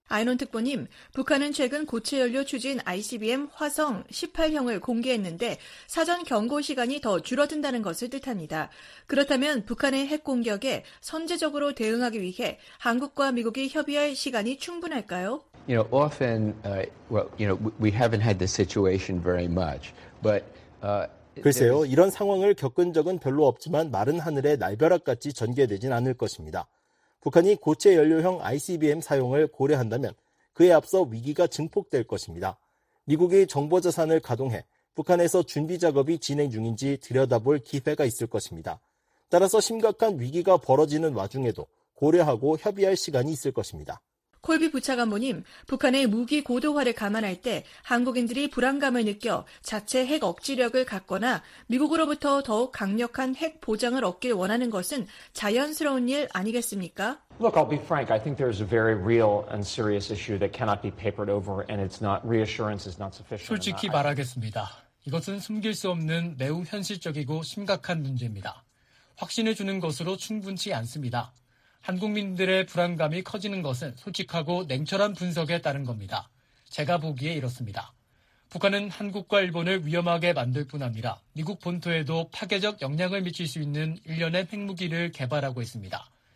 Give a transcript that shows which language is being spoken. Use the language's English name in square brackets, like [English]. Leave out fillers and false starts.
[Korean] 아이론 특보님, 북한은 최근 고체 연료 추진 ICBM 화성 18형을 공개했는데 사전 경고 시간이 더 줄어든다는 것을 뜻합니다. 그렇다면 북한의 핵 공격에 선제적으로 대응하기 위해 한국과 미국이 협의할 시간이 충분할까요? [English] You know, often, you know, we haven't had this situation very much, but [Korean] 글쎄요, 이런 상황을 겪은 적은 별로 없지만 마른 하늘에 날벼락같이 전개되진 않을 것입니다. 북한이 고체 연료형 ICBM 사용을 고려한다면 그에 앞서 위기가 증폭될 것입니다. 미국이 정보자산을 가동해 북한에서 준비 작업이 진행 중인지 들여다볼 기회가 있을 것입니다. 따라서 심각한 위기가 벌어지는 와중에도 고려하고 협의할 시간이 있을 것입니다. 콜비 부차관보님, 북한의 무기 고도화를 감안할 때 한국인들이 불안감을 느껴 자체 핵 억지력을 갖거나 미국으로부터 더욱 강력한 핵 보장을 얻길 원하는 것은 자연스러운 일 아니겠습니까? [English] Look, I'll be frank. I think there is a very real and serious issue that cannot be papered over, and it's not reassurance is not sufficient. [Korean] 솔직히 말하겠습니다. 이것은 숨길 수 없는 매우 현실적이고 심각한 문제입니다. 확신을 주는 것으로 충분치 않습니다. 한국민들의 불안감이 커지는 것은 솔직하고 냉철한 분석에 따른 겁니다. 제가 보기에 이렇습니다. 북한은 한국과 일본을 위험하게 만들 뿐 아니라 미국 본토에도 파괴적 영향을 미칠 수 있는 일련의 핵무기를 개발하고 있습니다.